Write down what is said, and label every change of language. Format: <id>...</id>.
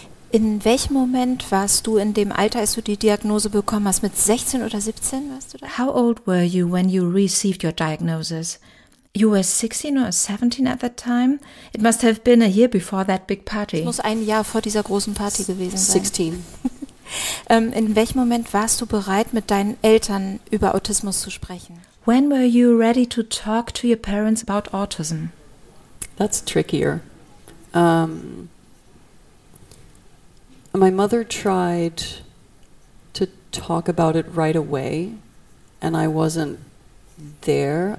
<de>In welchem Moment warst du in dem Alter, als du die Diagnose bekommen hast, mit 16 oder 17 warst du da?</de> <en>How old were you when you received your diagnosis? You were 16 or 17 at that time? It must have been a year before that big party.</en> <de>Es muss ein Jahr vor dieser großen Party gewesen sein. 16. In welchem Moment warst du bereit, mit deinen Eltern über Autismus zu sprechen?</de> <en>When were you ready to talk to your parents about autism? That's trickier. My mother tried to talk about it right away, and I wasn't there.</en>